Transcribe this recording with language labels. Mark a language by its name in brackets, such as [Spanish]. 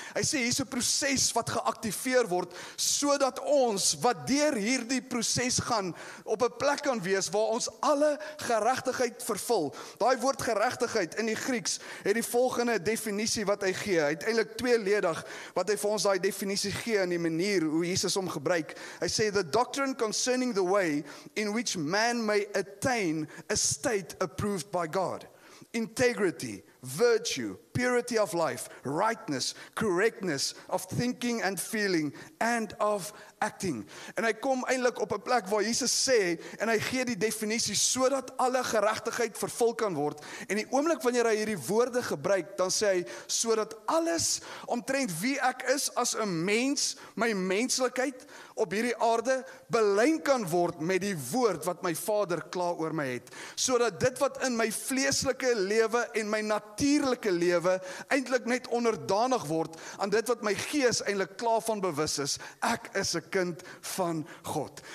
[Afrikaans] Hy sê, hier is 'n proces wat geactiveer word, sodat ons wat deur hierdie proces gaan, op 'n plek kan wees waar ons alle geregtigheid vervul. Daai woord geregtigheid in die Grieks het die volgende definisie wat hy gee. Hy het eintlik tweeledig wat hy vir ons daai definisie gee in die manier hoe Jesus hom gebruik. Hy sê [English] the doctrine concerning the way in which man may attain a state approved by God. Integrity, virtue, purity of life, rightness, correctness of thinking and feeling and of acting. [Afrikaans] En hy kom eintlik op 'n plek waar Jesus sê en hy gee die definisie sodat alle geregtigheid vervul kan word. En die oomblik wanneer hy hierdie woorde gebruik, dan sê hy sodat alles omtrent wie ek is as 'n mens, my menslikheid op hierdie aarde belyn kan word met die woord wat my Vader klaar oor my het, sodat dit wat in my vleeslike lewe en my natuurlike lewe eintlik net onderdanig word aan dit wat my gees eintlik klaar van bewus is, ek is 'n kind van God.